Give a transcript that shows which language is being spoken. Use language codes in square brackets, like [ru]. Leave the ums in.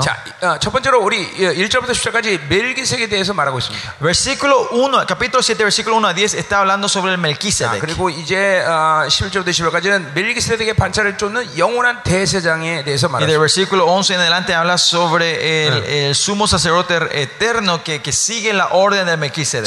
[ko] 자, 첫 번째로 우리 1절부터 10절까지 멜기색에 대해서 말하고 있습니다. [es] Versículo 1, capítulo 7, versículo 1 a 10 está hablando sobre el Melquisedec. [ko] 아, 그리고 이제 어, 11절부터 10절까지는 멜기세덱의 반차를 쫓는 영원한 대세장에 대해서 말하고 있습니다. [es] versículo 11 en adelante habla sobre el, 네. el sumo sacerdote eterno que, que sigue la orden de Melquisedec.